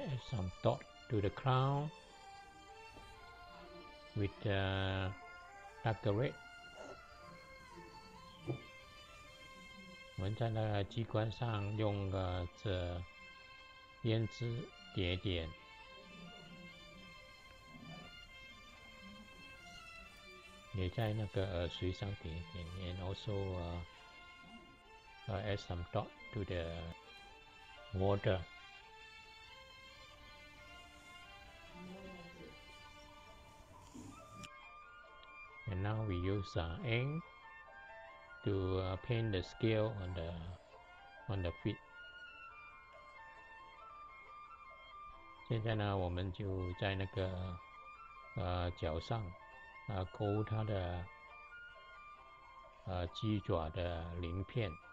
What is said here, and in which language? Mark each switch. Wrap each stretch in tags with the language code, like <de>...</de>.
<en>Some dot to the crown with the darker red.</en> <zh>我们在那个机关上用这胭脂叠点。也在那个耳垂上叠点</zh> <en>and also add some dot to the water. And now we use ink to paint the scale on the feet.</en> <zh>现在呢，我们就在那个脚上勾它的鸡爪的鳞片。</zh>